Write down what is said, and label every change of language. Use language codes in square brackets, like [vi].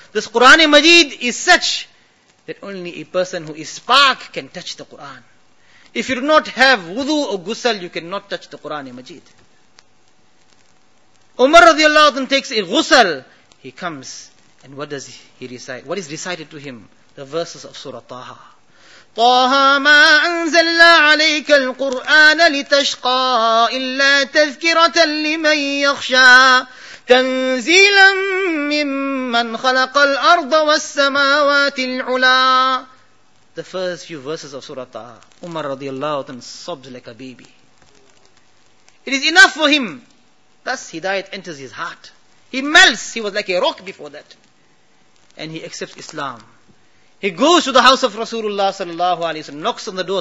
[en] This Quran Majeed is such that only a person who is spark can touch the Quran. If you do not have wudu or ghusl, you cannot touch the Quran Majeed. Umar radiallahu anhu takes a ghusl. He comes and what does he recite? What is recited to him? The verses of Surah Taha. [ar] طه ما أنزلنا عليك القرآن لتشقى إلا تذكرة لمن يخشى تنزيلا ممن خلق الأرض والسماوات العلا. [en] the first few verses of Surah Taha, Umar radiallahu anhu sobs like a baby. It is enough for him. Thus Hidayat enters his heart. He melts. He was like a rock before that. And he accepts Islam. He goes to the house of Rasulullah sallallahu alayhi wa sallam, knocks on the door.